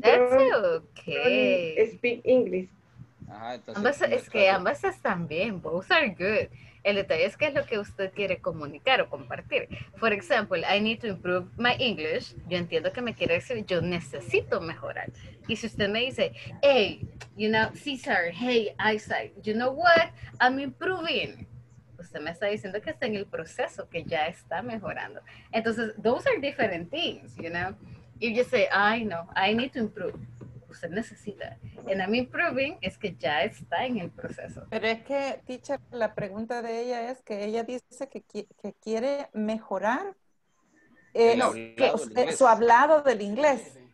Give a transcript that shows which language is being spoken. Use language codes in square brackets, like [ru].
[en] That's okay. Speak English. [es] Ajá, entonces, ambas están bien. [en] Both are good. [es] El detalle es que es lo que usted quiere comunicar o compartir. [en] For example, I need to improve my English. [es] Yo entiendo que me quiere decir, yo necesito mejorar. Y si usted me dice, [en] hey, you know, Cesar, hey, Isaac, you know what? I'm improving. [es] Usted me está diciendo que está en el proceso, que ya está mejorando. [en] Entonces, those are different things, you know. If you say, I know, I need to improve. [es] que usted necesita. [en] And I'm improving [es] es que ya está en el proceso. Pero es que, teacher, la pregunta de ella es que ella dice que quiere mejorar su hablado del inglés.